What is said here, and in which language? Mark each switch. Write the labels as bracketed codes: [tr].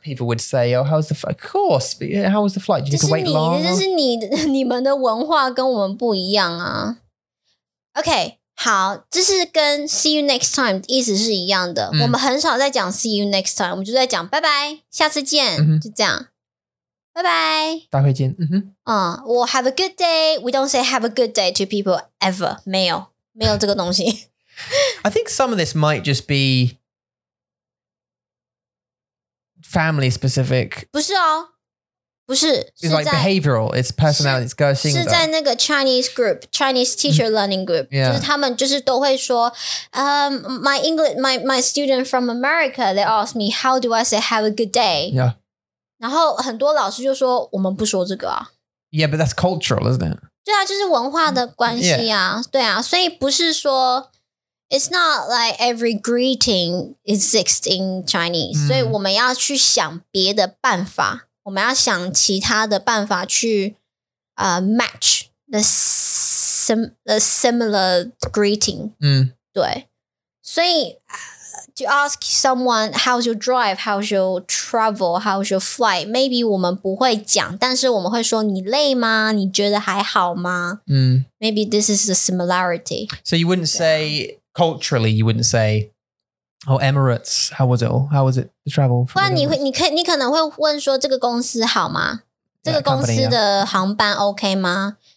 [en] People would say, oh, how's the flight? Of course, but yeah, how was the flight? Do you need to wait long? [zh] 这是你们的文化跟我们不一样啊。 Okay, 好,这是跟 [en] see you next time [zh] 意思是一样的。我们很少在讲 see you next time, 我们就在讲拜拜,下次见,就这样。拜拜。大会见。 [en] Well, have a good day. We don't say have a good day to people ever. [zh] 没有,没有这个东西。 [en] I think some of this might just be family specific. [zh] 不是哦，不是。 [en] It's like behavioral. It's personality. It's [zh] 个性的。是在那个 [en] Chinese group, Chinese teacher learning group. Yeah. [zh] 就是他们就是都会说, [en] my English, my student from America, they ask me, how do I say have a good day? Yeah. [zh] 然后很多老师就说我们不说这个啊。 [en] Yeah, but that's cultural, isn't it? [zh] 对啊，就是文化的关系啊。对啊，所以不是说。 [en] It's not like every greeting exists in Chinese. So we need to think other ways. Match the similar greeting. So to ask someone, how's your drive? How's your travel? How's your flight? Maybe we won't say, but we will say, maybe this is a similarity. So you wouldn't say... Culturally, you wouldn't say, oh, Emirates, how was it? Oh, how was it, the travel? [zh] 不然你可能会问说这个公司好吗? 这个公司的航班OK吗?